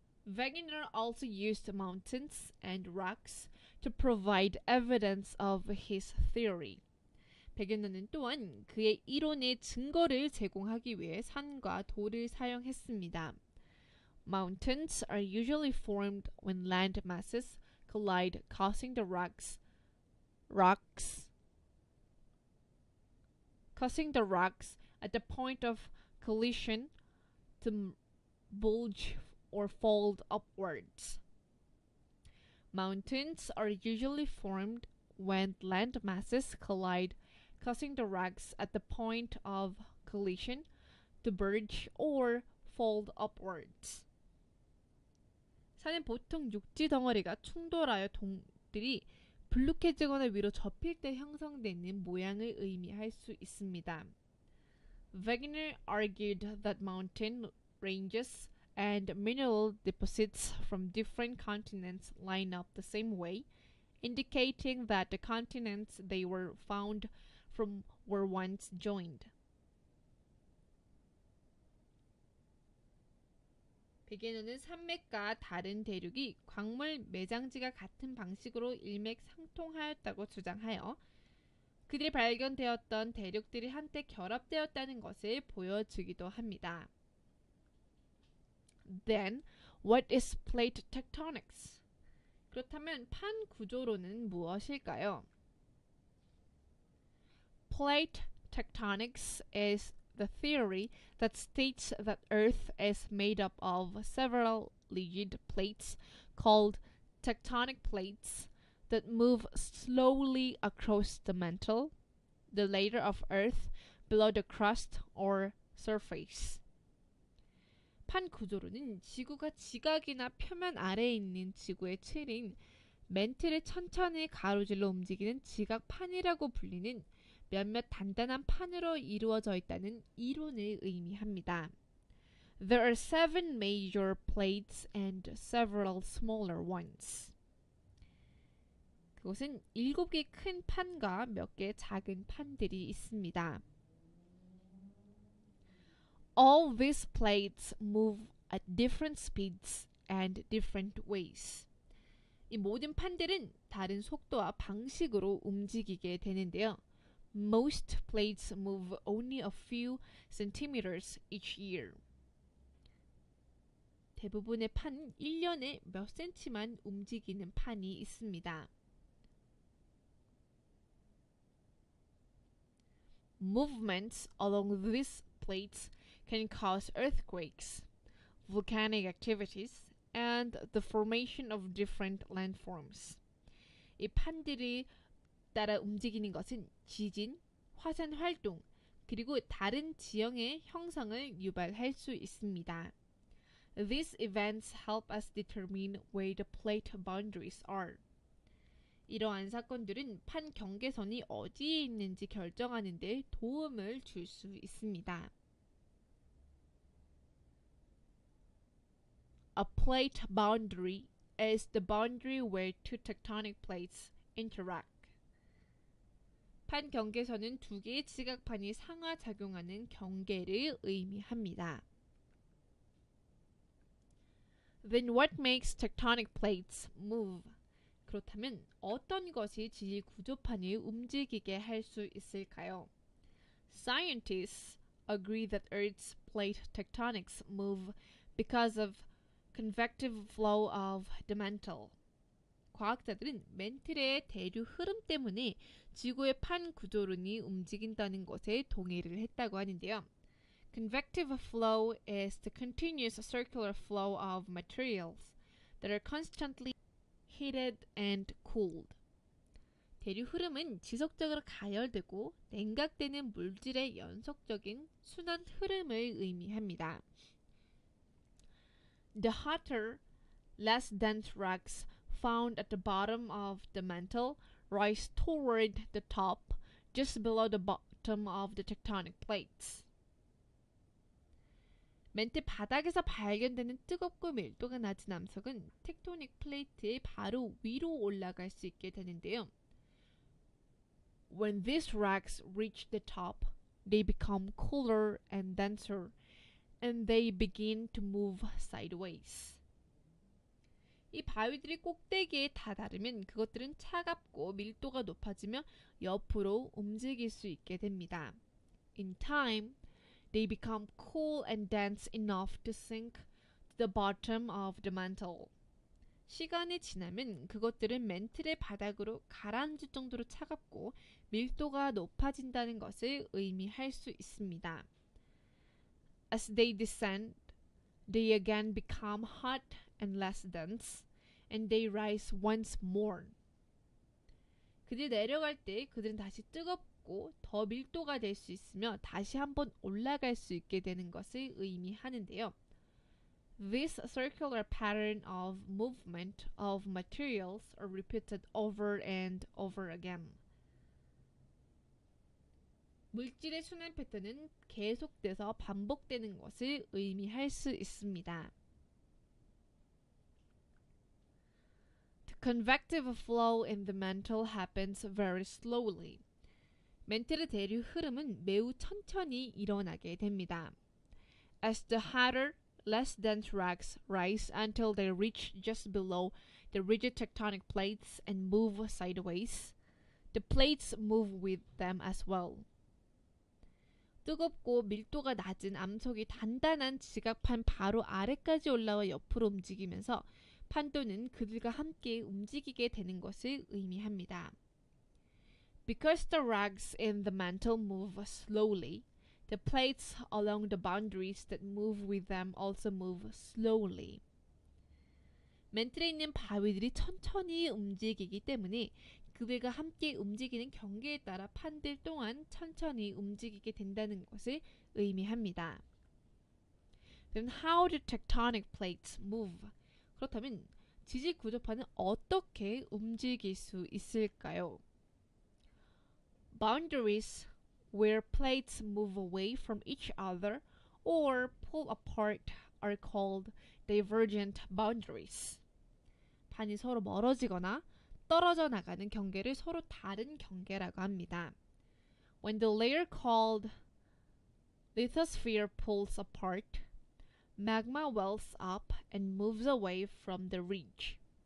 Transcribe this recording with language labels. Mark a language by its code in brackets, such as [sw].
[en] Wegener also used mountains and rocks to provide evidence of his theory. [ko] 베겐너는 또한 그의 이론의 증거를 제공하기 위해 산과 돌을 사용했습니다. [en] Mountains are usually formed when land masses collide, causing the rocks at the point of collision to bulge or fold upwards. Mountains are usually formed when land masses collide, causing the rocks at the point of collision to bulge or fold upwards. [ko] 산은 보통 육지 덩어리가 충돌하여 돌들이 불룩해지거나 위로 접힐 때 형성되는 모양을 의미할 수 있습니다. [en] Wegener argued that mountain ranges and mineral deposits from different continents line up the same way, indicating that the continents they were found from were once joined. [ko] 베게너는 산맥과 다른 대륙이 광물 매장지가 같은 방식으로 일맥상통하였다고 주장하여 그들이 발견되었던 대륙들이 한때 결합되었다는 것을 보여주기도 합니다. [en] Then, what is plate tectonics? [ko] 그렇다면 판 구조론은 무엇일까요? [en] Plate tectonics is the theory that states that Earth is made up of several rigid plates called tectonic plates that move slowly across the mantle, the layer of Earth below the crust or surface. [ko] 판 구조론은 지구가 지각이나 표면 아래에 있는 지구의 체린 멘틀을 천천히 가로질러 움직이는 지각판이라고 불리는 몇몇 단단한 판으로 이루어져 있다는 이론을 의미합니다. [en] There are seven major plates and several smaller ones. [ko] 그곳은 일곱 개 큰 판과 몇 개 작은 판들이 있습니다. [en] All these plates move at different speeds and different ways. [ko] 이 모든 판들은 다른 속도와 방식으로 움직이게 되는데요. [en] Most plates move only a few centimeters each year. [ko] 대부분의 판은 1년에 몇 cm만 움직이는 판이 있습니다. [en] Movements along these plates can cause earthquakes, volcanic activities, and the formation of different landforms. [ko] 이 판들이 따라 움직이는 것은 지진, 화산 활동, 그리고 다른 지형의 형성을 유발할 수 있습니다. [en] These events help us determine where the plate boundaries are. [ko] 이러한 사건들은 판 경계선이 어디에 있는지 결정하는 데 도움을 줄수 있습니다. [en] A plate boundary is the boundary where two tectonic plates interact. [ko] 판 경계선은 두 개의 지각판이 상하작용하는 경계를 의미합니다. [en] Then what makes tectonic plates move? [ko] 그렇다면 어떤 것이 지질 구조판을 움직이게 할 수 있을까요? [en] Scientists agree that Earth's plate tectonics move because of convective flow of the mantle. [ko] 과학자들은 맨틀의 대류 흐름 때문에 지구의 판 구조론이 움직인다는 것에 동의를 했다고 하는데요. [en] Convective flow is the continuous circular flow of materials that are constantly heated and cooled. [ko] 대류 흐름은 지속적으로 가열되고 냉각되는 물질의 연속적인 순환 흐름을 의미합니다. [en] The hotter, less dense rocks found at the bottom of the mantle rise toward the top, just below the bottom of the tectonic plates. [ko] 멘트 바닥에서 발견되는 뜨겁고 밀도가 낮은 암석은 텍토닉 플레이트의 바로 위로 올라갈 수 있게 되는데요. [en] When these rocks reach the top, they become cooler and denser, and they begin to move sideways. [ko] 이 바위들이 꼭대기에 다다르면 그것들은 차갑고 밀도가 높아지며 옆으로 움직일 수 있게 됩니다. [en] In time, they become cool and dense enough to sink to the bottom of the mantle. [ko] 시간이 지나면 그것들은 멘틀의 바닥으로 가라앉을 정도로 차갑고 밀도가 높아진다는 것을 의미할 수 있습니다. [en] As they descend, they again become hot and less dense, and they rise once more. [ko] 그들이 내려갈 때 그들은 다시 뜨겁고 더 밀도가 될 수 있으며 다시 한번 올라갈 수 있게 되는 것을 의미하는데요. [en] This circular pattern of movement of materials are repeated over and over again. [ko] 물질의 순환 패턴은 계속돼서 반복되는 것을 의미할 수 있습니다. [en] The convective flow in the mantle happens very slowly. [ko] 멘틀의 대류 흐름은 매우 천천히 일어나게 됩니다. [en] As the hotter, less dense rocks rise until they reach just below the rigid tectonic plates and move sideways, the plates move with them as well. [ko] 뜨겁고 밀도가 낮은 암석이 단단한 지각판 바로 아래까지 올라와 옆으로 움직이면서 판도는 그들과 함께 움직이게 되는 것을 의미합니다. [en] Because the rocks in the mantle move slowly, the plates along the boundaries that move with them also move slowly. [ko] 멘틀에 있는 바위들이 천천히 움직이기 때문에 그들과 함께 움직이는 경계에 따라 판들 또한 천천히 움직이게 된다는 것을 의미합니다. [en] Then how do tectonic plates move? [ko] 그렇다면 지질 구조판은 어떻게 움직일 수 있을까요? [en] Boundaries where plates move away from each other or pull apart are called divergent boundaries. [ko] 판이 서로 멀어지거나 떨어져 나가는 경계를 서로 다른 경계라고 합니다. [en] When the layer called lithosphere pulls apart, magma wells up and moves away from the ridge.